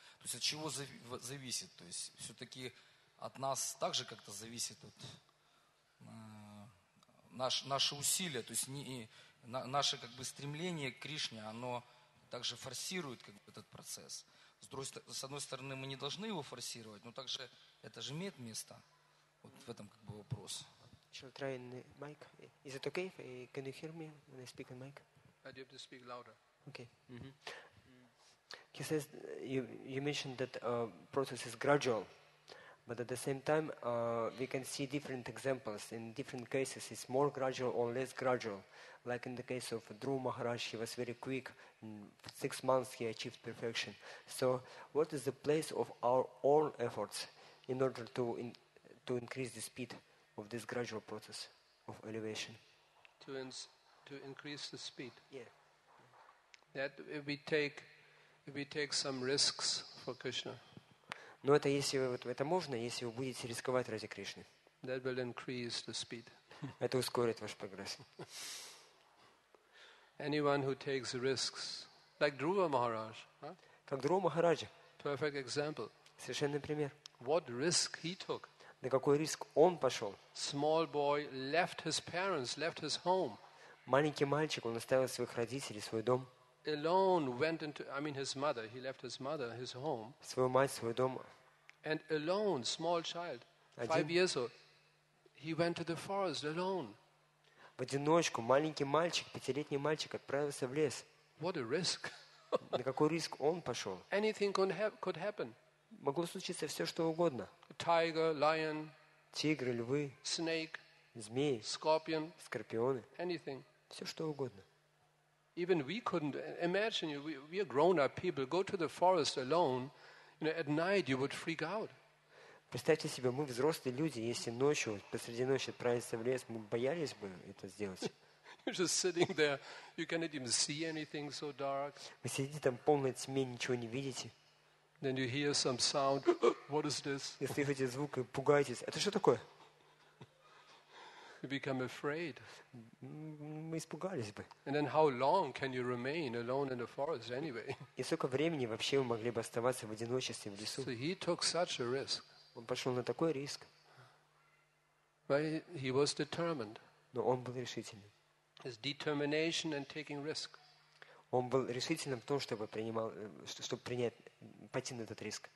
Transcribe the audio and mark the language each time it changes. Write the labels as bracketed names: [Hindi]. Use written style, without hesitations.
[Russian] То есть от чего зависит? То есть все-таки от нас также как-то зависит вот, наши усилия, то есть наше как бы стремление к Кришне, оно также форсирует как бы, этот процесс. С одной стороны, мы не должны его форсировать, но также это же имеет место. Вот в этом как бы вопрос. [English] Shall I try in the mic? Is it okay? Can you hear me when I speak in mic? I have to speak louder. Okay. Mm-hmm. He says you mentioned that process is gradual, but at the same time we can see different examples. In different cases, it's more gradual or less gradual. Like in the case of Dhruva Maharaj, he was very quick. In 6 months, he achieved perfection. So, what is the place of our own efforts in order to increase the speed of this gradual process of elevation? To increase the speed. Yeah. That if we take some risks for Krishna. [Russian] Но это если вот это можно, если вы будете рисковать ради Кришны. [English] That will increase the speed. [Russian] Это ускорит ваш прогресс. [English] Anyone who takes risks, like Dhruva Maharaj, huh? [Russian] Как Dhruva Maharaj. [English] Perfect example. [Russian] Совершенный пример. [English] What risk he took? [Russian] На какой риск он пошел? [English] Small boy left his parents, left his home. [Russian] Маленький мальчик, он оставил своих родителей, свой дом. [English] Alone went into, I mean, his mother. He left his mother, his home. [Russian] Свою мать, свой дом. [English] And alone, small child, 5 years old, he went to the forest alone. [Russian] В одиночку маленький мальчик, 5-летний мальчик, отправился в лес. [English] What a risk! [Russian] На какой риск он пошел? [English] Anything could happen. [Russian] Могло случиться все, что угодно. [English] Tiger, lion. [Russian] Тигры, львы. [English] Snake. [Russian] Змеи. [English] Scorpion. [Russian] Скорпионы. [English] Anything. [Russian] Все, что угодно. [English] Even we couldn't imagine. We are grown-up people. Go to the forest alone. You know, at night you would freak out. [Russian] Представьте себе, мы взрослые люди, если ночью, посреди ночи отправиться в лес, мы боялись бы это сделать. [English] You're just sitting there. You cannot even see anything so dark. [Russian] Вы сидите там в полной тьме, ничего не видите. [English] Then you hear some sound. What is this? [Russian] И слышите звук и пугаетесь. Это что такое? [English] You become afraid. [Russian] Мы испугались бы. [English] And then how long can you remain alone in the forest anyway? [Russian] И сколько времени вообще вы могли бы оставаться в одиночестве в лесу? [English] So he took such a risk. [Russian] Он пошел на такой риск. [English] But he was determined. [Russian] Но он был решительным. [English] His determination and taking risk. [Russian] Он был решительным в том, чтобы принимал, чтобы принять, пойти на этот риск.